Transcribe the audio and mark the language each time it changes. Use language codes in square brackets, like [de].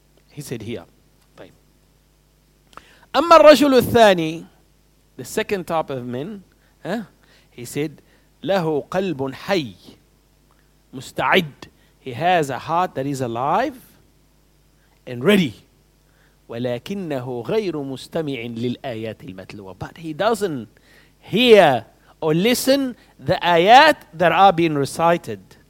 [en] He said here. [ar] أما الرجل الثاني, [en] the second type of men, he said, [ar] له قلب حي, مستعد. [en] He has a heart that is alive and ready. [ar] ولكنه غير مستمع للآيات المتلوة. [en] But he doesn't hear or listen the ayat that are being recited.